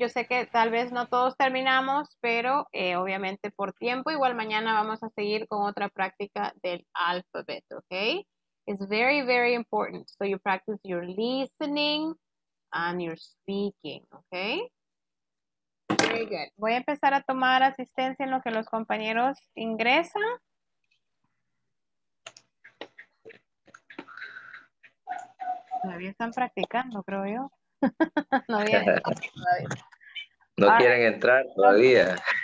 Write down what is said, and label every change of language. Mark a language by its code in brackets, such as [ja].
[es] Yo sé que tal vez no todos terminamos, pero obviamente por tiempo, igual mañana vamos a seguir con otra práctica del alfabeto, okay? [en] It's very, very important. So you practice your listening and your speaking, okay? Very good. [es] Voy a empezar a tomar asistencia en lo que los compañeros ingresan. Todavía están practicando, creo yo. No vienen. No quieren entrar todavía.